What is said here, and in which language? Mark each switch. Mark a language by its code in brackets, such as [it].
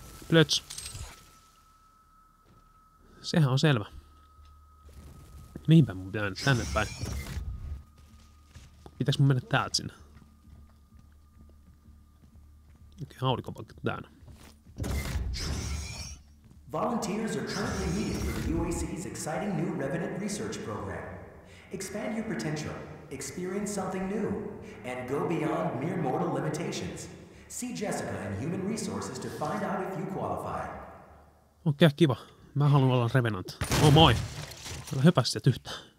[fi] Blöts. Sehän on selvä. Mihinpä mun pitää mennä tänne päin? Pitäis mun mennä täältä sinne? Okei, okay, aurinkopankki täynnä. [en] Volunteers are currently needed for the UAC's exciting new Revenant research program. Expand your potential, experience something new, and go beyond mere mortal limitations. See Jessica and Human Resources to find out if you qualify. [fi] Okei, okay, kiva. Mä haluan olla Revenant. Oh moi! Älä hyppä sieltä yhtään.